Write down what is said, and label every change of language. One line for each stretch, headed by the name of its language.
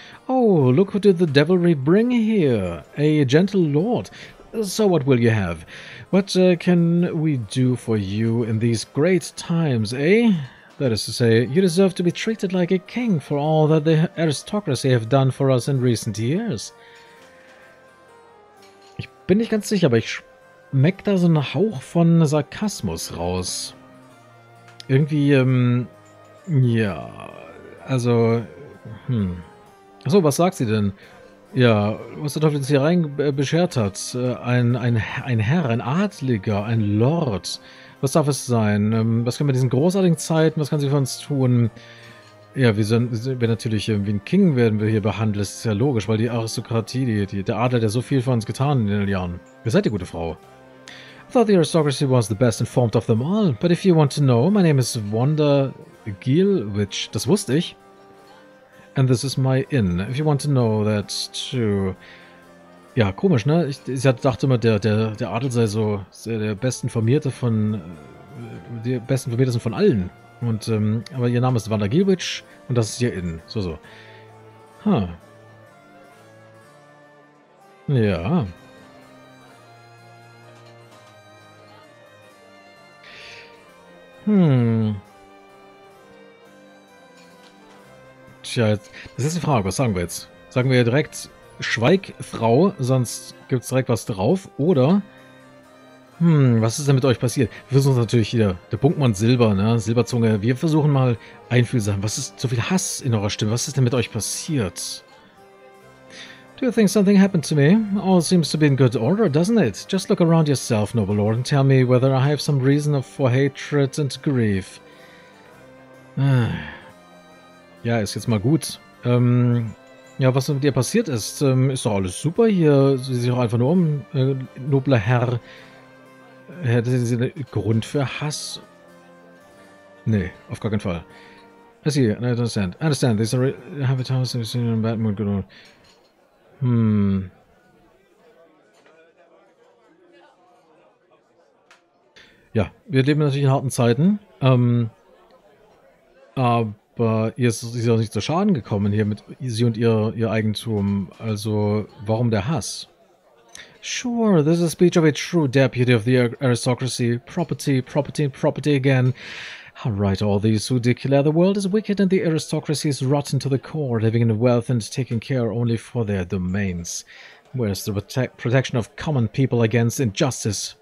English: Oh, look who did the devilry bring here. A gentle lord. So what will you have? What can we do for you in these great times, eh? That is to say, you deserve to be treated like a king for all that the aristocracy have done for us in recent years.
German: Ich bin nicht ganz sicher, aber ich schmeck da so einen Hauch von Sarkasmus raus. Irgendwie, ja, also, Achso, was sagt sie denn? Ja, was der Teufel uns hier rein beschert hat, ein Herr, ein Adliger, ein Lord, was darf es sein? Was können wir in diesen großartigen Zeiten, was kann sie für uns tun? Ja, wir natürlich wie ein King werden wir hier behandelt, das ist ja logisch, weil die Aristokratie, der Adel, der so viel für uns getan in den Jahren. Wer seid ihr, gute Frau?
English: I thought the aristocracy was the best informed of them all, but if you want to know, my name is Wanda Gilwich,
German: das wusste ich.
English: And this is my inn, if you want to know that too.
German: Ja, komisch, ne? Ich dachte immer, der Adel sei so der bestinformierteste von allen. Und aber ihr Name ist Wanda Gilwich und das ist ihr Inn. So. Huh. Ja. Ja, das ist die Frage, was sagen wir jetzt? Sagen wir direkt, schweig, Frau, sonst gibt es direkt was drauf. Oder, was ist denn mit euch passiert? Wir versuchen natürlich hier, der Punktmann Silber, ne? Silberzunge, wir versuchen mal einfühlsam. Was ist so viel Hass in eurer Stimme? Was ist denn mit euch passiert?
English: Do you think something happened to me? All seems to be in good order, doesn't it? Just look around yourself, noble lord, and tell me whether I have some reason for hatred and grief.
German: Ja, ist jetzt mal gut. Ja, was mit dir passiert ist, ist doch alles super hier. Sieh dich doch einfach nur um, nobler Herr. Hätte sie einen Grund für Hass? Nee, auf gar keinen Fall.
English: I see, I understand. I understand, these are happy times, I've seen in a bad mood, good old.
German: Ja, wir leben natürlich in harten Zeiten. Aber ihr ist auch nicht zu Schaden gekommen hier mit sie und ihr Eigentum. Also, warum der Hass?
English: Sure, this is a speech of a true deputy of the aristocracy. Property, property, property again. All right, all these who declare the world is wicked and the aristocracy is rotten to the core, living in wealth and taking care only for their domains. Where's the protection of common people against injustice?